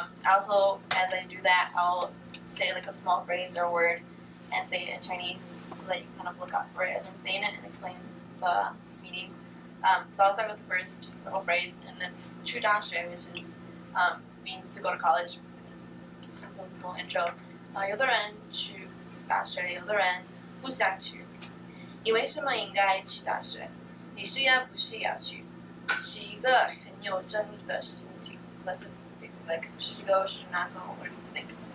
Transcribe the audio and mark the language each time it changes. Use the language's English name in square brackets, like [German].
[English] Also, as I do that, I'll say like a small phrase or word and say it in Chinese so that you kind of look out for it as I'm saying it and explain the meaning. So I'll start with the first little phrase, and it's [Chinese] 去大学, [English] which is means to go to college. So it's a little intro. [Chinese] 有的人去大学, 有的人不想去, 你为什么应该去大学? 你需要不需要去?是一个很有争议的心情. [English] So that's a basic, like, should you go, should you not go, what do you think?